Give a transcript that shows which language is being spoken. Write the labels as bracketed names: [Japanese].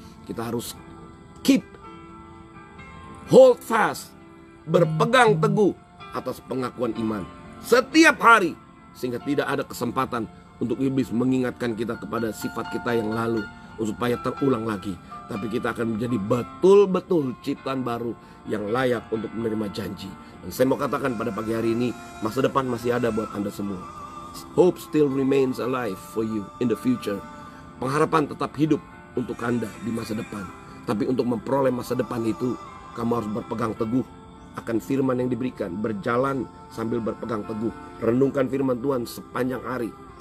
[Indonesian] Kita harus [English] keep, hold fast, [Indonesian] berpegang teguh atas pengakuan iman setiap hari, sehingga tidak ada kesempatan untuk iblis mengingatkan kita kepada sifat kita yang lalu supaya terulang lagi. Tapi kita akan menjadi betul-betul ciptaan baru yang layak untuk menerima janji. Dan saya mau katakan pada pagi hari ini, masa depan masih ada buat Anda semua. [English] Hope still remains alive for you in the future. [Indonesian] Pengharapan tetap hidup untuk Anda di masa depan. Tapi untuk memperoleh masa depan itu, kamu harus berpegang teguh akan firman yang diberikan. Berjalan sambil berpegang teguh. Renungkan firman Tuhan sepanjang hari.